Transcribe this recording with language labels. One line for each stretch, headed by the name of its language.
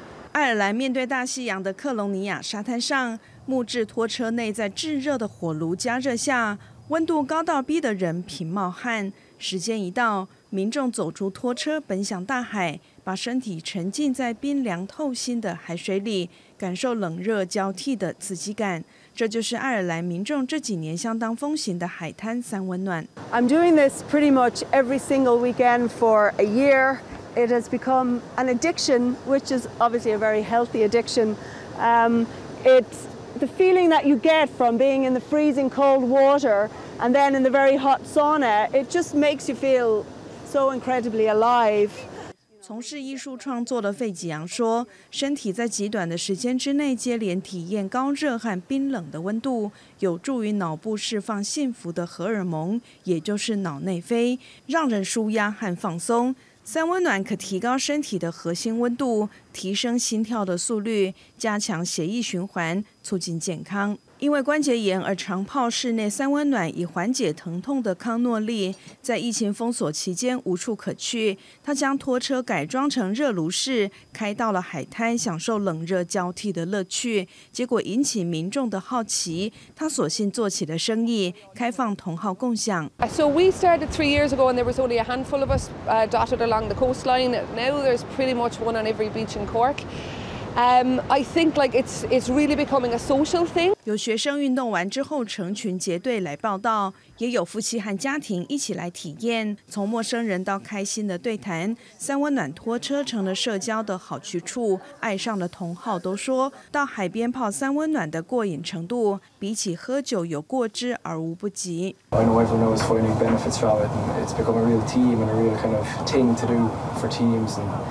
Chinese: 爱尔兰面对大西洋的克隆尼亚沙滩上，木质拖车内在炙热的火炉加热下，温度高到逼得人频冒汗。时间一到，民众走出拖车，奔向大海，把身体沉浸在冰凉透心的海水里，感受冷热交替的刺激感。这就是爱尔兰民众这几年相当风行的海滩三温暖。
English: I'm doing this pretty much every single weekend for a year. It has become an addiction, which is obviously a very healthy addiction. It's the feeling that you get from being in the freezing cold water and then in the very hot sauna. It just makes you feel so incredibly alive.
Chinese: 从事艺术创作的费吉昂说，身体在极短的时间之内接连体验高热和冰冷的温度，有助于脑部释放幸福的荷尔蒙，也就是脑内啡，让人舒压和放松。三温暖可提高身体的核心温度，提升心跳的速率，加强血液循环，促进健康。因为关节炎而常泡室内三温暖以缓解疼痛的康诺利，在疫情封锁期间无处可去，他将拖车改装成热炉式，开到了海滩，享受冷热交替的乐趣。结果引起民众的好奇，他索性做起了生意，开放同号共享。
English: So we started 3 years ago, and there was only a handful of us dotted along the coastline. Now there's pretty much one on every beach in Cork. I think like it's really becoming a social thing.
Chinese: 有学生运动完之后成群结队来报道，也有夫妻和家庭一起来体验。从陌生人到开心的对谈，三温暖拖车成了社交的好去处。爱上的同好都说，到海边泡三温暖的过瘾程度，比起喝酒有过之而无不及。
English: I know everyone knows finding benefits from it, and it's become a real team and a real kind of thing to do for teams and.